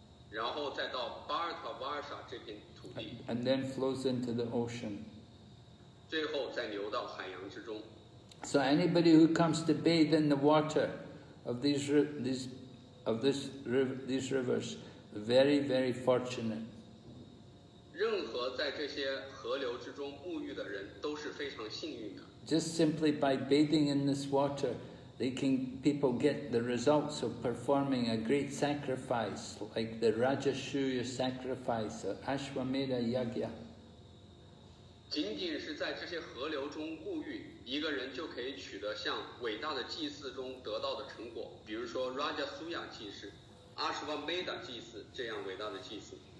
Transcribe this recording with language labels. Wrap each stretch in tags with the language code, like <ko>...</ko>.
<zh>然后再到 Bharat Varsha 这片土地</zh> <en>And then flows into the ocean.</en> <zh>最后再流到海洋之中</zh> <en>So anybody who comes to bathe in the water of these rivers, very, very fortunate.</en> <zh>任何在这些河流之中沐浴的人都是非常幸运的</zh> <en>Just simply by bathing in this water,They can people get the results of performing a great sacrifice like the Rajashuya sacrifice or Ashwamedha Yajna.</en> <zh>仅仅是在这些河流中沐浴，一个人就可以取得像伟大的祭祀中得到的成果，比如说 Rajashuya 祭祀、Ashwamedha 祭祀这样伟大的祭祀。</zh>